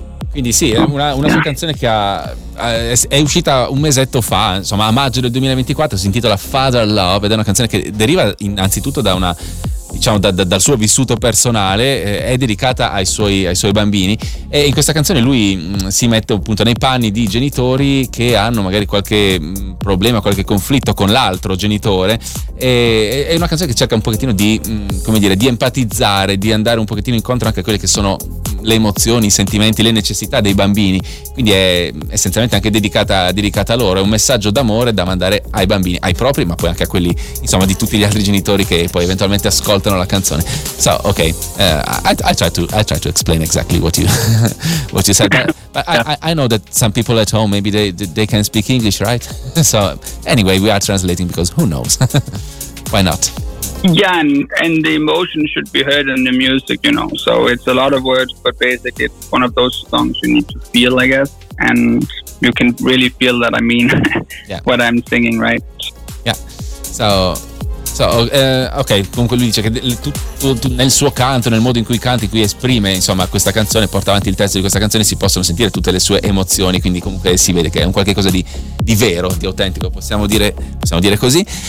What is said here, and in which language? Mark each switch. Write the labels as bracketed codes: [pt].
[it] Quindi sì, è una sua canzone che è uscita un mesetto fa, insomma, a maggio del 2024, si intitola Father Love, ed è una canzone che deriva innanzitutto da una, diciamo, dal suo vissuto personale, è dedicata ai suoi bambini, e in questa canzone lui si mette appunto nei panni di genitori che hanno magari qualche problema, qualche conflitto con l'altro genitore, e è una canzone che cerca un pochettino di, come dire, di empatizzare, di andare un pochettino incontro anche a quelle che sono le emozioni, i sentimenti, le necessità dei bambini, quindi è essenzialmente anche dedicata a loro, è un messaggio d'amore da mandare ai bambini, ai propri, ma poi anche a quelli, insomma, di tutti gli altri genitori che poi eventualmente ascoltano la canzone. [en] So, okay, I try to explain exactly what you said, but I know that some people at home, maybe they can speak English, right? So anyway, we are translating because who knows, why not? Yeah, and the emotion should be heard in the music, you know. So it's a lot of words, but basically it's one of those songs you need to feel, I guess. And you can really feel that I mean what I'm singing, right? Yeah. So okay, [it] comunque lui dice che tutto nel suo canto, nel modo in cui canta, in cui esprime, insomma, questa canzone, porta avanti il testo di questa canzone, si possono sentire tutte le sue emozioni, quindi comunque si vede che è un qualche cosa di vero, di autentico, possiamo dire così.